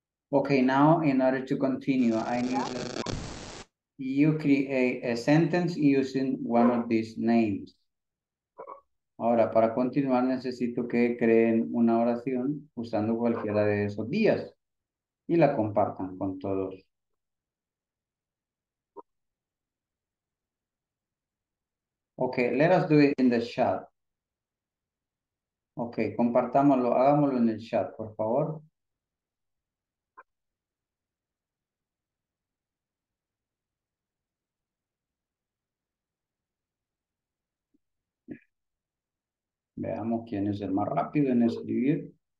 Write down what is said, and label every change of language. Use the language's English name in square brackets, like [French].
[English] Okay, now in order to continue, I need you create a sentence using one of these names. [Spanish] Ahora, para continuar, necesito que creen una oración usando cualquiera de esos días y la compartan con todos. [English] Okay, let us do it in the chat. [Spanish] Okay, compartámoslo, hagámoslo en el chat, por favor. Veamos quién es el más rápido en escribir.